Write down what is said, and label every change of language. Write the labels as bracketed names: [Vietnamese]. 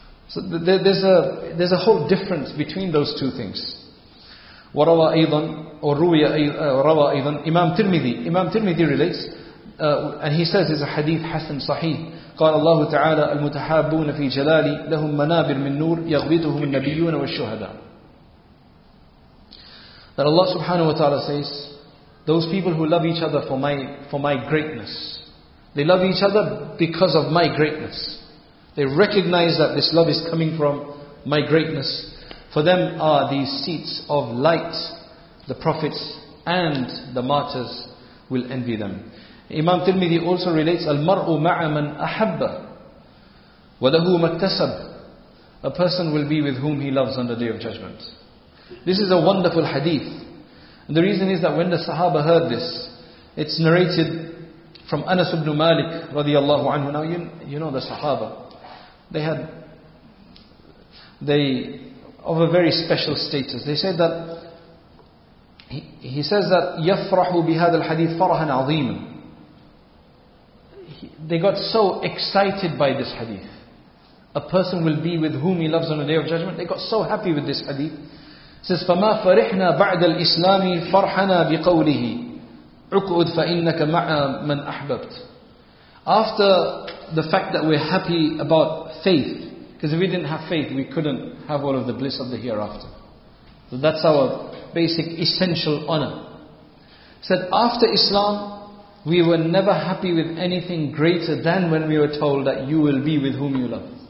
[English] So there's a whole difference between those two things. [Arabic] وَرَوَى أَيْضًا وَرُوِيَ رَوَى أَيْضًا [English] Imam Tirmidhi relates, and he says it's a hadith hasan sahih. [Arabic] قال الله تعالى المتحابون في جلالي لهم منابر من نور يغبطهم النبيون والشهداء. [English] That Allah subhanahu wa ta'ala says, those people who love each other for my greatness, they love each other because of my greatness, they recognize that this love is coming from my greatness, for them are these seats of light. The prophets and the martyrs will envy them. Imam Tirmidhi also relates, [Arabic] Al-mar'u ma'a man ahabba, wa lahu mattasab. [English] A person will be with whom he loves on the Day of Judgment. This is a wonderful hadith. And the reason is that when the Sahaba heard this, it's narrated from Anas ibn Malik radiallahu anhu. Now you know the Sahaba. They of a very special status. They said that, he says that, [Arabic] يَفْرَحُ بِهَذَا الْحَدِيثِ فَرَحًا عَظِيمًا. [English] they got so excited by this hadith. A person will be with whom he loves on the Day of Judgment. They got so happy with this hadith. It says, [Arabic] فَمَا فَرِحْنَا بَعْدَ الْإِسْلَامِ فَرْحَنَا بِقَوْلِهِ عُقْعُدْ فَإِنَّكَ مَعَ مَنْ أَحْبَبْتَ. [English] After the fact that we're happy about faith, because if we didn't have faith, we couldn't have all of the bliss of the hereafter. So that's our basic essential honor. Said, after Islam, we were never happy with anything greater than when we were told that you will be with whom you love.